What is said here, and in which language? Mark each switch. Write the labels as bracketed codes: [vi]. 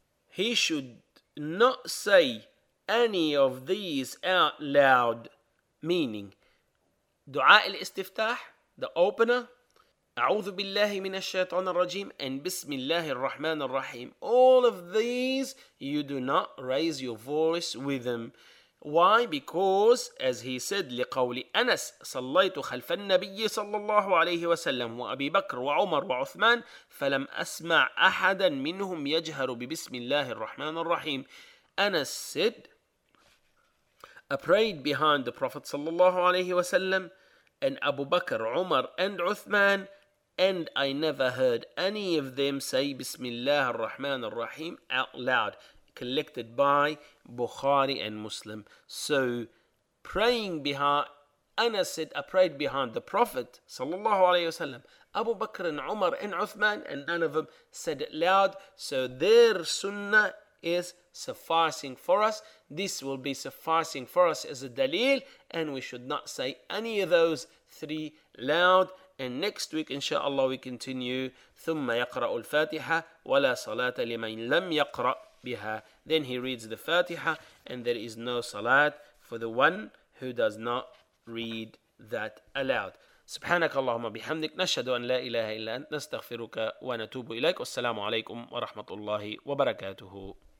[en] He should not say any of these out loud, meaning Dua al-Istiftah, the opener, [ar] أعوذ بالله من الشيطان الرجيم [en] and [ar] بسم الله الرحمن الرحيم. [en] All of these, you do not raise your voice with them. Why? Because, as he said, [ar] لقول أنس صليت خلف النبي صلى الله عليه وسلم وأبي بكر وعمر وعثمان فلم أسمع أحدا منهم يجهر ببسم الله الرحمن الرحيم. [en] Anas said, I prayed behind the Prophet [ar] صلى الله عليه وسلم [en] and Abu Bakr, Umar and Uthman, and I never heard any of them say Bismillah ar-Rahman ar-Rahim out loud, collected by Bukhari and Muslim. So praying behind, Anas said, I prayed behind the Prophet sallallahu alayhi wasallam, Abu Bakr and Umar and Uthman, and none of them said it loud. So their sunnah is sufficing for us. This will be sufficing for us as a dalil, and we should not say any of those three loud. And next week, inshallah, we continue. [ar] ثُمَّ يَقْرَأُ الْفَاتِحَةِ وَلَا صَلَاةَ لِمَنْ لَمْ يَقْرَأْ بِهَا. [en] Then he reads the Fatiha, and there is no salat for the one who does not read that aloud. [ar] سبحانك اللهم بحمدك نشهد أن لا إله إلا أنت نستغفرك ونتوب إليك. والسلام عليكم ورحمة الله وبركاته.